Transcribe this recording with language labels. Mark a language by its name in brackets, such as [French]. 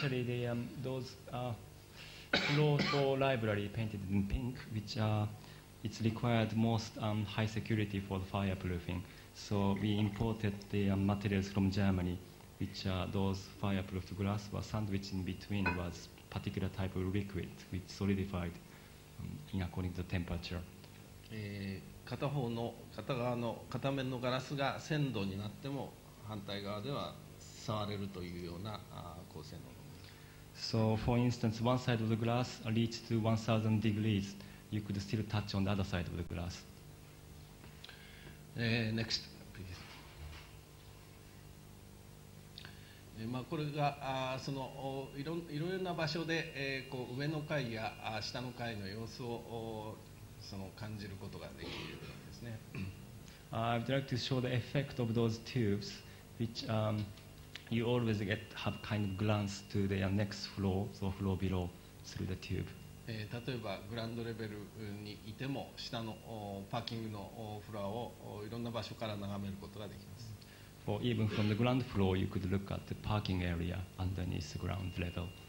[English] Especially the those Kyoto library painted in pink, which it's required most high security for the fireproofing. So we imported the materials from Germany, which those fireproofed glass were sandwiched in between was particular type of liquid which solidified in according to temperature. [Japanese] 片方の片側の片面のガラスが鮮度になっても反対側では触れるというような構成の。 [English] So for instance, one side of the glass reached to 1000 degrees, you could still touch on the other side of the glass. Next, please. [Japanese] まあこれがそのいろんな場所でこう上の階や下の階の様子をその感じることができるんですね。 [English] I would like to show the effect of those tubes, which you always get have kind of glance to the next floor, so floor below through the tube. [Japanese] 例えばグランドレベルにいても下のパーキングのフロアをいろんな場所から眺めることができます。 [English] For even from the ground floor, you could look at the parking area underneath the ground level.